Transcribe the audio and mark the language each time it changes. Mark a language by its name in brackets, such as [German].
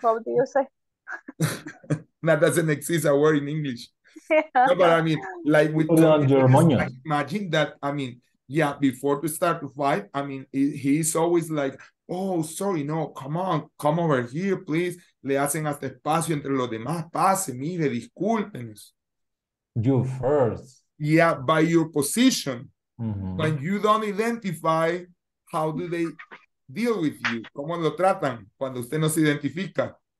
[English] How do you say? That doesn't exist a word in English. Yeah. No, but I mean, like with imagine that, I mean, yeah, before we start to fight, I mean, he's always like, oh, sorry, no, come on, come over here, please. [Spanish] Le hacen hasta espacio entre los demás, pase, mire, discúlpenos. [English] You first. Yeah, by your position. Mm-hmm. When you don't identify, how do they deal with you? [Spanish] ¿Cómo lo tratan cuando usted no se identifica?